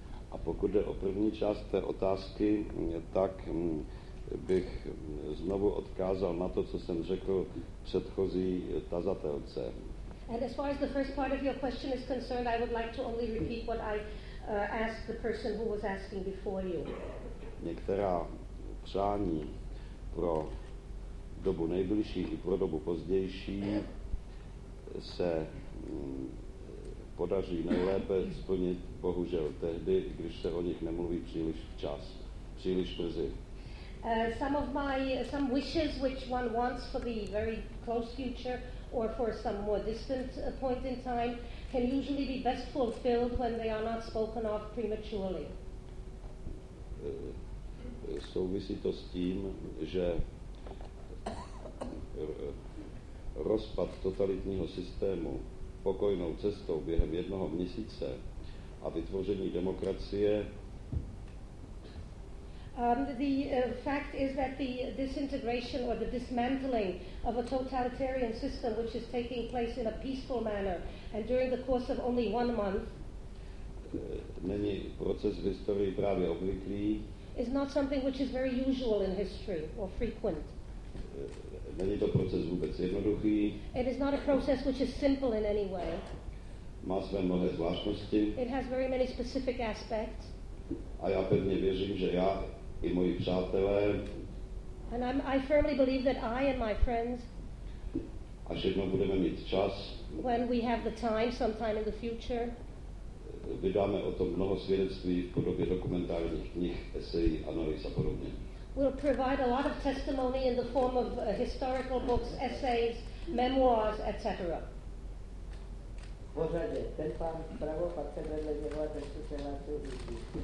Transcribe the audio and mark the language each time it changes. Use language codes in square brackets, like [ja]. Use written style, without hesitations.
[cs] A pokud jde o první část té otázky, tak bych znovu odkázal na to, co jsem řekl předchozí tazatelce. [en] And as far as the first part of your question is concerned, I would like to only repeat what I asked the person who was asking before you. [cs] Některá přání pro dobu nejbližší i pro dobu pozdější se podaří nejlépe splnit, bohužel, tehdy, když se o nich nemluví příliš včas, příliš brzy. [en] Some wishes which one wants for the very close future or for some more distant point in time can usually be best fulfilled when they are not spoken of prematurely. [cs] Souvisí to s tím, že rozpad totalitního systému pokojnou cestou během jednoho měsíce a vytvoření demokracie. [en] The fact is that the disintegration or the dismantling of a totalitarian system which is taking place in a peaceful manner and during the course of only 1 month [cs] není proces v historii právě obvyklý. [en] Is not something which is very usual in history or frequent. [cs] Není to proces vůbec jednoduchý. [en] It is not a process which is simple in any way. [cs] Má své mnohé zvláštnosti. [en] It has very many specific aspects. [cs] A já pevně věřím, že já i moji přátelé. [en] And I firmly believe that I and my friends. [cs] Až jednou budeme mít čas. [en] When we have the time, sometime in the future. [cs] Vydáme o tom mnoho svědectví v podobě dokumentárních knih, esejí, analýz a podobně. [en] Will provide a lot of testimony in the form of historical books, essays, memoirs, etc. [cs] Pořadě, ten pán vpravo, pak se vedle něho a ten se přihlásil vždy.